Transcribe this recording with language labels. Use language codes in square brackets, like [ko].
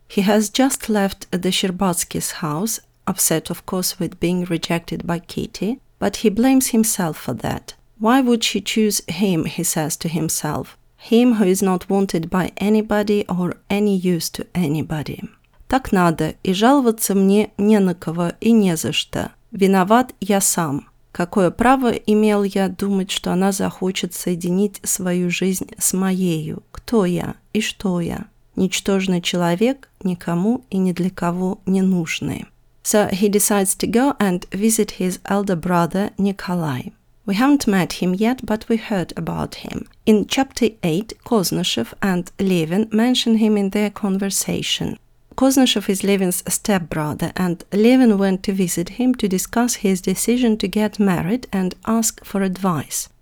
[en] He has just left the Shcherbatskys' house, upset, of course, with being rejected by Kitty, but he blames himself for that. Why would she choose him, he says to himself, him who is not wanted by anybody or any use to anybody. [ru] Так надо, и жаловаться мне не на кого и не за что. Виноват я сам. Какое право имел я думать, что она захочет соединить свою жизнь с моею? Кто я и что я? Ничтожный человек, никому и ни для кого не нужный. [en] So he decides to go and visit his elder brother Nikolai. We haven't met him yet, but we heard about him. In chapter 8, Koznishev and Levin mention him in their conversation. Koznishev is Levin's stepbrother, and Levin went to visit him to discuss his decision to get married and ask for advice.